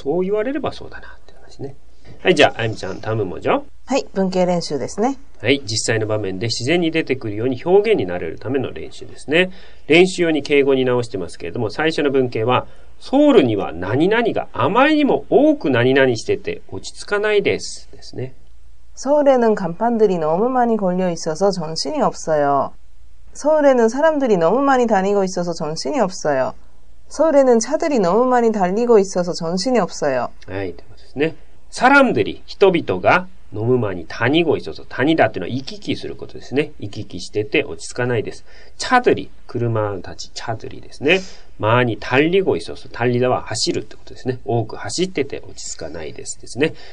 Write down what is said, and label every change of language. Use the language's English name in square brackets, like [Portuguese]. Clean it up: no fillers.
[Japanese] でもそれをそういうふうに考えれば、なるほど、そう言われればそうだなって話ね.はい、じゃあ、あゆみちゃん [Korean] 다음은 뭐죠? [Japanese] はい、文系練習ですね。はい、実際の場面で自然に出てくるように表現になれるための練習ですね。練習用に敬語に直してますけれども、 最初の文系は、 ソウルには何々があまりにも多く何々してて落ち着かないです。ですね。 [Korean] 서울에는 간판들이 너무 많이 걸려 있어서 정신이 없어요. 서울에는 사람들이 너무 많이 다니고 있어서 정신이 없어요. 서울에는 차들이 너무 많이 달리고 있어서 정신이 없어요. [Japanese] 네, ということですね. [Korean] 사람들이, [Japanese] 人々が [Korean] 너무 많이 다니고 있어서 다니다 [Japanese] っていうのは 行き来することですね. 行き来してて落ち着かないです. [Korean] 차들이, [Japanese] 車たち, 차들이ですね. [Korean] 많이 달리고 있어서 달리다와 [Japanese] 走るってことですね.多く走ってて落ち着かないですですね.